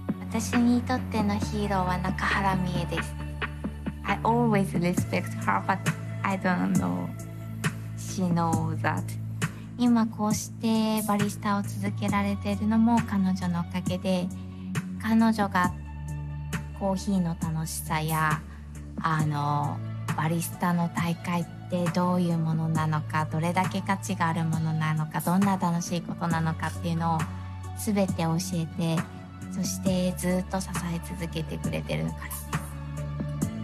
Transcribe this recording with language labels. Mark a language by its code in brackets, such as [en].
[ja] 私にとってのヒーローは中原美恵です。 [en] I always respect her, but I don't know. She knows that. [ja] 今こうしてバリスタを続けられているのも彼女のおかげで、彼女がコーヒーの楽しさや、バリスタの大会ってどういうものなのか、どれだけ価値があるものなのか、どんな楽しいことなのかっていうのを全て教えて、そしてずっと支え続けてくれてるから。